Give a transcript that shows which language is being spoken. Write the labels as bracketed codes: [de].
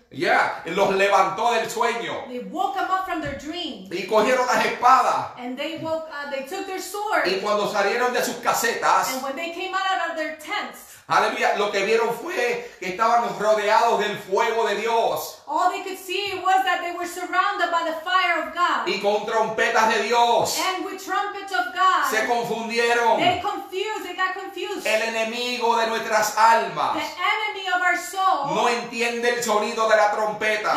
[es] Yeah, los levantó del sueño. [en] They woke them up from their dream. [es] Y cogieron las espadas. [en] And they woke, they took their swords. [es] Y cuando salieron de sus casetas. [en] And when they came out of their tents. [es] Aleluya, lo que vieron fue que estaban rodeados del fuego de Dios. [en] All they could see was that they were surrounded by the fire of God. [es] Y con trompetas de Dios. [en] And with trumpets of God. [es] Se confundieron. [en] They confused, they got confused. [es] El enemigo de nuestras almas. [en] The enemy of our soul. [es] No entiende el sonido de la trompeta.